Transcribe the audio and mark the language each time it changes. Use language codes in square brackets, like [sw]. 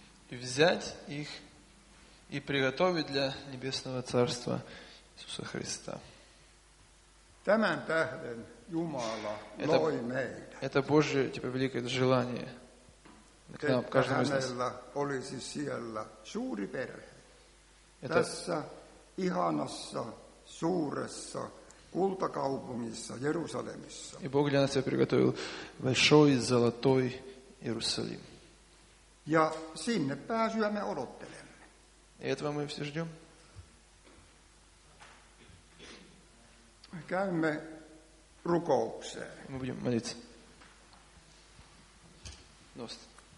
[ru] Взять их и приготовить для небесного царства Иисуса Христа. [fi] Tämän tähden Jumala loi meidät. [ru] Это Божье типа великое желание. [fi] Että hänellä olisi siellä suuri perhe. Tässä ihanassa, suuressa, kultakaupungissa, Jerusalemissa. [ru] И Бог для нас приготовил большой, золотой Иерусалим. [fi] Ja sinne pääsyä me odottelemme. [ru] И этого мы все ждем. [fi] Käymme rukoukseen. [ru] Мы будем молиться. [fi] Nostan.